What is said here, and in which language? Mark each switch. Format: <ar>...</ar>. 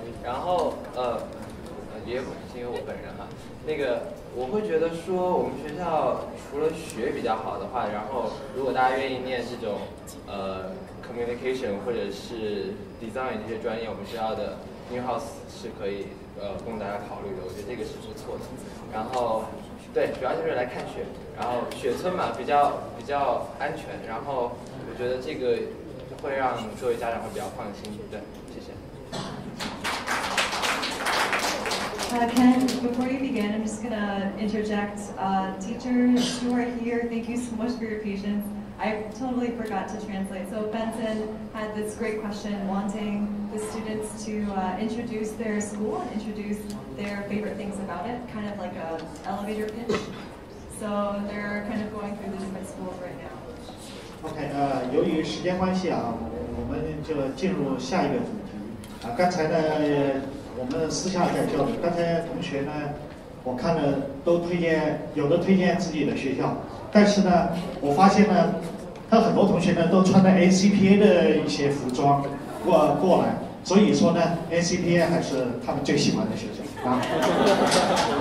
<zh>然后也不是因为我本人哈，那个我会觉得说我们学校除了学比较好的话，然后如果大家愿意念这种communication 或者是 design 这些专业，我们学校的 new house 是可以供大家考虑的，我觉得这个是不错的。然后对，主要就是来看雪，然后雪村嘛比较安全，然后我觉得这个会让各位家长会比较放心。对，谢谢。</zh> <en>Ken, before you begin, I'm just going to interject. Teachers who are here, thank you so much for your patience. I totally forgot to translate. So Benson had this great question wanting the students to introduce their school and introduce their favorite things about it, kind of like an elevator pitch. So they're kind of going through the different schools right now.</en> <zh>Okay, 由于时间关系啊，我们就进入下一个主题。刚才呢我们私下在交流，刚才同学呢我看了都推荐，有的推荐自己的学校，但是呢我发现呢他很多同学呢都穿了 ACPA 的一些服装过来，所以说呢 ACPA 还是他们最喜欢的学校啊。</zh>